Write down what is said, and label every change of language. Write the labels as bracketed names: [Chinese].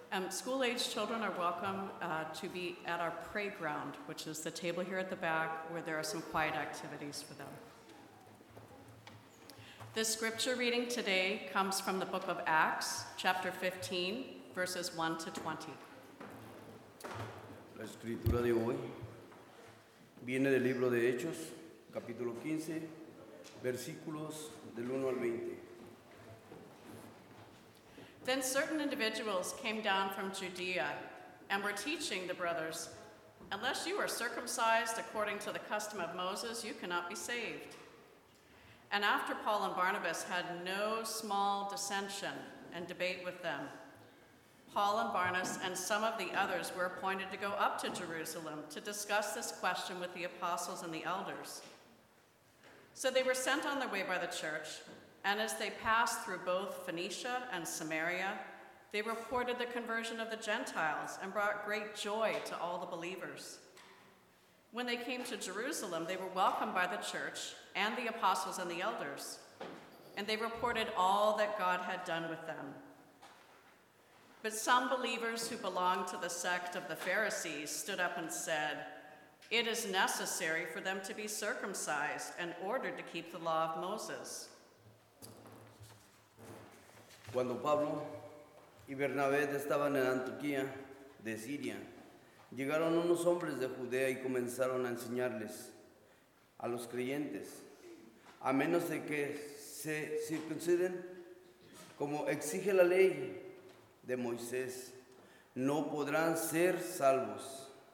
[English] School age children are welcome to be at our pray ground, which is the table here at the back where there are some quiet activities for them. The scripture reading today comes from the book of Acts, chapter 15, verses 1 to 20. [Spanish] La escritura de hoy viene del libro de Hechos, capítulo 15, versículos del 1 al 20. [English] Then certain individuals came down from Judea and were teaching the brothers, "Unless you are circumcised according to the custom of Moses, you cannot be saved." And after Paul and Barnabas had no small dissension and debate with them, Paul and Barnabas and some of the others were appointed to go up to Jerusalem to discuss this question with the apostles and the elders. So they were sent on their way by the church, and as they passed through both Phoenicia and Samaria, they reported the conversion of the Gentiles and brought great joy to all the believers. When they came to Jerusalem, they were welcomed by the church and the apostles and the elders, and they reported all that God had done with them. But some believers who belonged to the sect of the Pharisees stood up and said, "It is necessary for them to be circumcised and ordered to keep the law of Moses." [Spanish] Cuando Pablo y Bernabé estaban en Antioquía de Siria, llegaron unos hombres de Judea y comenzaron a enseñarles a los creyentes, a menos de que se circunciden, como exige la ley de Moisés, no podrán ser salvos.